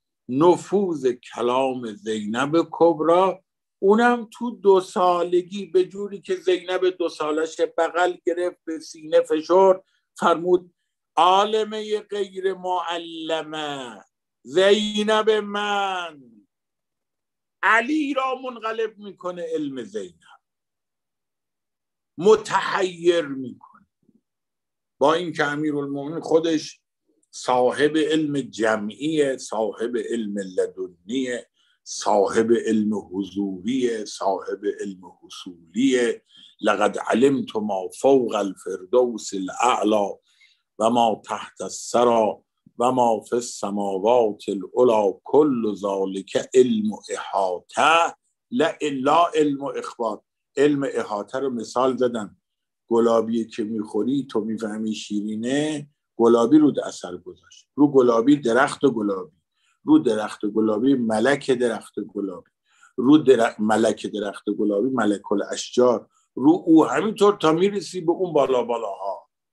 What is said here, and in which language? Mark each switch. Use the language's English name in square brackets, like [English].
[Persian] نفوذ کلام زینب کبرا، اونم تو دو سالگی، به جوری که زینب دو سالش بغل گرفت به سینه فشرد، فرمود [Arabic] عالمه غیر معلمه، [Persian] زینب من، علی را منقلب میکنه علم زینب، متحیر میکنه. با این که امیرالمومنین خودش صاحب علم جمعیه، صاحب علم لدنیه، صاحب علم حضوریه، صاحب علم حصولیه. [Arabic] لقد علمت ما فوق الفردوس الاعلا و ما تحت السرا و ما فی السماوات الاولا کل ذالک علم احاطه. لا علم اخبار، [Persian] علم احاطه رو مثال زدم، گلابی که میخوری تو میفهمی شیرینه، گلابی رو اثر گذاشت، رو گلابی درخت گلابی، رو درخت گلابی ملک درخت گلابی، رو ملک درخت گلابی ملک الاشجار، رو او همینطور تا میرسی به اون بالا بالاها.